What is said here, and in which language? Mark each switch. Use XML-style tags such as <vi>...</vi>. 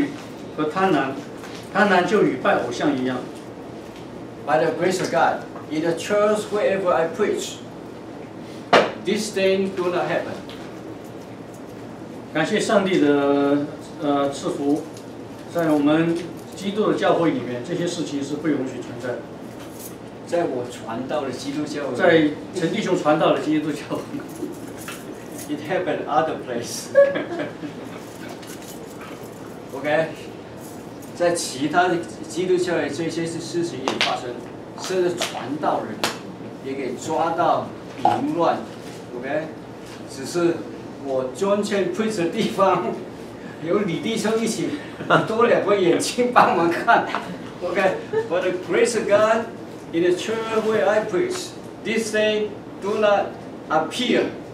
<zh>所以你们要致使你们在地上的肢体，就如同淫乱、污秽、邪情、恶欲和贪婪，贪婪就与拜偶像一样。</zh> <en>By the grace of God, in the church wherever I preach, this thing do not happen.</en> <zh>感谢上帝的赐福，在我们 基督的教会里面，这些事情是不允许存在的。在我传道的基督教会，在陈弟兄传道的基督教会</zh> <en>，It happened other place.</en> <zh>OK， 在其他的基督教会，这些事情也发生，甚至传道人也给抓到淫乱。OK， 只是我专程 preach 的地方。有李弟兄一起，多两个眼睛帮忙看 ，OK.</zh> <en>For the grace of God, in the church where I preach, this thing do not appear.</en>